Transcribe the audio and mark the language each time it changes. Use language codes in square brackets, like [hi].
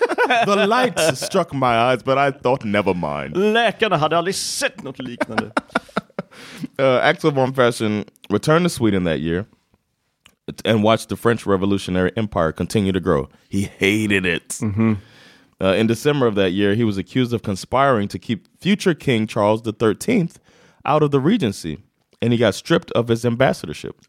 [en] The light struck my eyes, but I thought never mind. [sv] Läkarna hade aldrig sett något liknande. [en] Axel von Fersen returned to Sweden that year and watched the French Revolutionary Empire continue to grow. He hated it. Mm-hmm. In December of that year, he was accused of conspiring to keep future King Charles XIII out of the regency, and he got stripped of his ambassadorship.